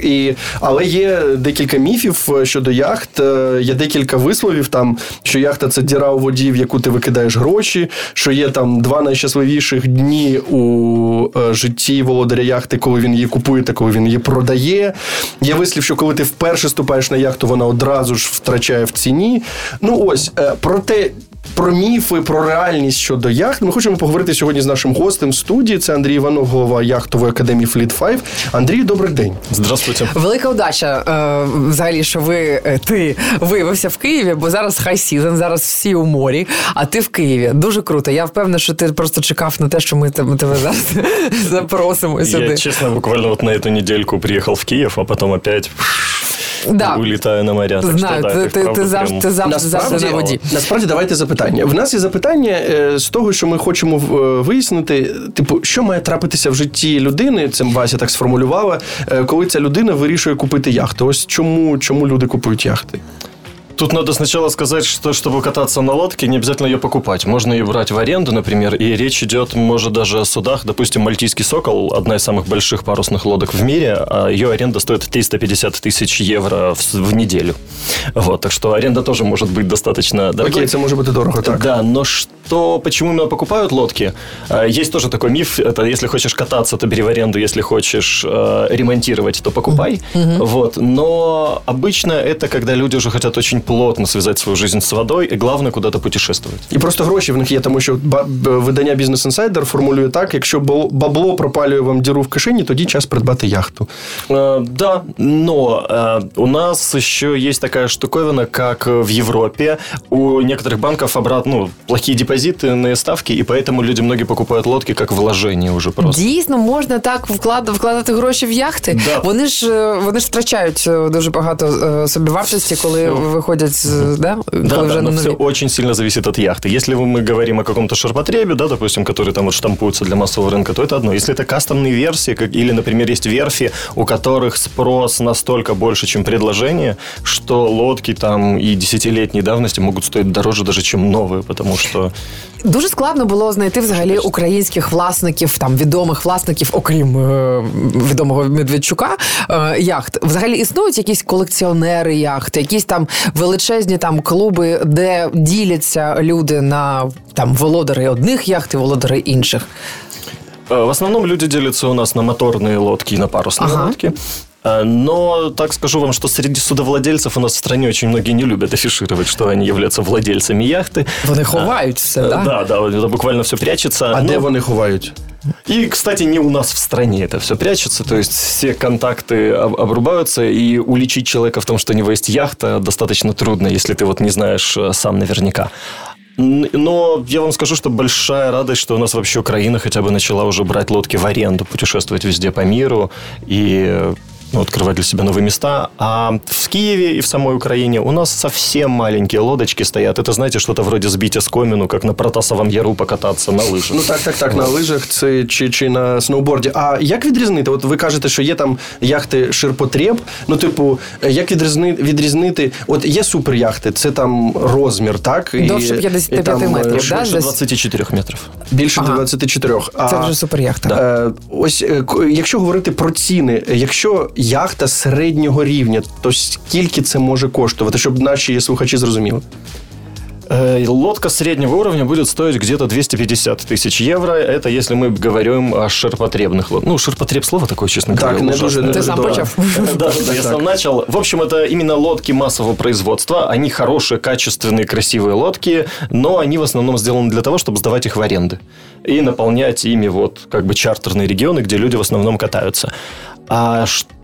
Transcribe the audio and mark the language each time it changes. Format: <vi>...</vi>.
<uk>І, але є декілька міфів щодо яхт, є декілька висловів, там, що яхта – це діра у воді, в яку ти викидаєш гроші, що є там два найщасливіших дні у житті володаря яхти, коли він її купує та коли він її продає. Є вислів, що коли ти вперше ступаєш на яхту, вона одразу ж втрачає в ціні. Ну ось, проте... Про міфи, про реальність щодо яхт. Ми хочемо поговорити сьогодні з нашим гостем в студії. Це Андрій Іванов, голова яхтової академії Fleet Five. Андрій, добрий день.</uk> <ru>Здравствуйте.</ru> <uk>Велика удача, взагалі, що ти виявився в Києві, бо зараз</uk> <en>high season,</en> <uk>зараз всі у морі, а ти в Києві. Дуже круто. Я впевнена, що ти просто чекав на те, що ми тебе зараз запросимо сюди. Я, чесно, буквально от на цю недельку приїхав в Київ, а потім опять...</uk> <ru>Да.</ru> <uk>Улітаю на моря. Знаю, так, ти завжди на воді. Насправді, давайте запитання. В нас є запитання з того, що ми хочемо вияснити, типу, що має трапитися в житті людини, це Вася так сформулювала, коли ця людина вирішує купити яхту. Ось чому люди купують яхти?</uk> <ru>Тут надо сначала сказать, что чтобы кататься на лодке, не обязательно ее покупать. Можно ее брать в аренду, например, и речь идет, может, даже о судах. Допустим, Мальтийский Сокол, одна из самых больших парусных лодок в мире, а ее аренда стоит 350 тысяч евро в неделю. Вот, так что аренда тоже может быть достаточно дорогой. Окей, это может быть и дорого, так. Да, но что, почему именно покупают лодки? Есть тоже такой миф, это если хочешь кататься, то бери в аренду, если хочешь ремонтировать, то покупай. Mm-hmm. Вот, но обычно это, когда люди уже хотят очень плотно связать свою жизнь с водой и, главное, куда-то путешествовать.</ru> <uk>И просто гроши в них є, тому що видання Business Insider формулює так, якщо бабло пропалює вам діру в кишені, тоді час придбати яхту.</uk> <ru>Да, но у нас еще есть такая штуковина, как в Европе. У некоторых банков обратно плохие депозитные ставки, и поэтому люди многие покупают лодки как вложение уже просто.</ru> <uk>Дійсно, можна так вкладати гроші в яхти?</uk> <ru>Да.</ru> <uk>Вони ж втрачають дуже багато собівартості, коли</uk> <ru>выходят, да? Да, да, но все очень сильно зависит от яхты. Если мы говорим о каком-то ширпотребе, да, допустим, который там вот штампуется для массового рынка, то это одно. Если это кастомные версии, или, например, есть верфи, у которых спрос настолько больше, чем предложение, что лодки там и десятилетней давности могут стоить дороже даже, чем новые, потому что...</ru> <uk>Дуже складно було знайти взагалі українських власників, там, відомих власників, окрім відомого Медведчука, яхт. Взагалі існують якісь колекціонери яхт, якісь там величезні там клуби, де діляться люди на там володари одних яхт і володари інших? В основному люди діляться у нас на моторні лодки і на парусні лодки.</uk> <ru>Но так скажу вам, что среди судовладельцев у нас в стране очень многие не любят афишировать, что они являются владельцами яхты. Они ховаются, да? Да, да, это буквально все прячется. А где они ховают? И, кстати, не у нас в стране это все прячется, то есть все контакты обрубаются, и уличить человека в том, что у него есть яхта, достаточно трудно, если ты вот не знаешь сам наверняка. Но я вам скажу, что большая радость, что у нас вообще Украина хотя бы начала уже брать лодки в аренду, путешествовать везде по миру, и... Ну, открывать для себя новые места. А в Киеве и в самой Украине у нас совсем маленькие лодочки стоят. Это, знаете, что-то вроде сбить оскомину, как на Протасовом Яру покататься на лыжах. Ну, так, на лыжах чи на сноуборде.</ru> <uk>А як відрізнити? От ви кажете, що є там яхти ширпотреб. Ну, типу, як відрізнити? От є суперяхти, це там розмір, так? Довше 55 метрів, да? Більше 24 метрів. Більше 24. Це вже суперяхта. Ось, якщо говорити про ціни, якщо яхта середнього рівня, то скільки це може коштувати, щоб наші слухачі зрозуміли?</uk> <ru>Лодка среднего уровня будет стоить где-то 250 тысяч евро. Это если мы говорим о ширпотребных лодках. Ну, ширпотреб слово такое, честно говоря, ужасное.</ru> <uk>Ты сам почав.</uk> <ru>Да, я сам начал. В общем, это именно лодки массового производства. Они хорошие, качественные, красивые лодки, но они в основном сделаны для того, чтобы сдавать их в аренду и наполнять ими вот как бы чартерные регионы, где люди в основном катаются. А что?</ru>